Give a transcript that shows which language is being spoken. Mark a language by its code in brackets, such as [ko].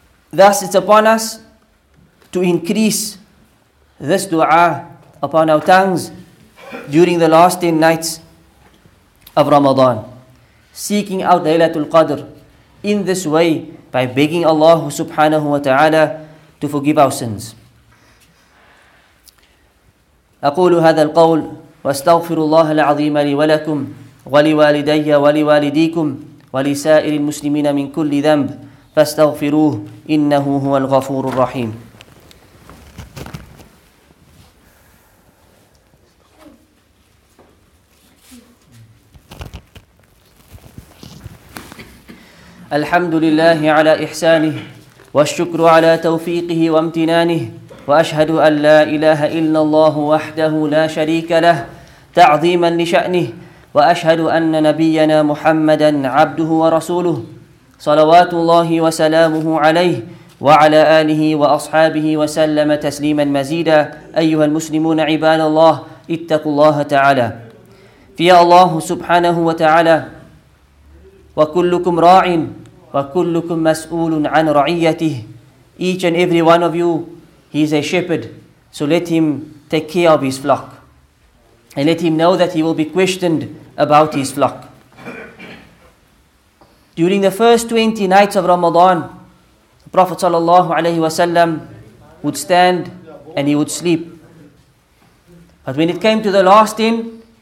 [en] Thus it's upon us to increase this dua upon our tongues during the last 10 nights of Ramadan, seeking out Laylatul Qadr in this way by begging Allah subhanahu wa ta'ala to forgive our sins. [ar] أقول هذا القول واستغفر الله العظيم لي ولكم ولوالدي ولوالديكم ولسائر المسلمين من كل ذنب فاستغفروه إنه هو الغفور الرحيم. الحمد لله على إحسانه والشكر على توفيقه وامتنانه وأشهد أن لا إله إلا الله وحده لا شريك له تعظيما لشأنه وأشهد أن نبينا محمدًا عبده ورسوله صلوات الله وسلامه عليه وعلى آله وأصحابه وسلم تسليما مزيدا. أيها المسلمون عباد الله اتقوا الله تعالى في الله سبحانه وتعالى وكلكم راع وكلكم مسؤول عن رعيته. [en] Each and every one of you, he is a shepherd, so let him take care of his flock. And let him know that he will be questioned about his flock. During the first 20 nights of Ramadan, the Prophet sallallahu alayhi wa sallam would stand and he would sleep. But when it came to the last 10,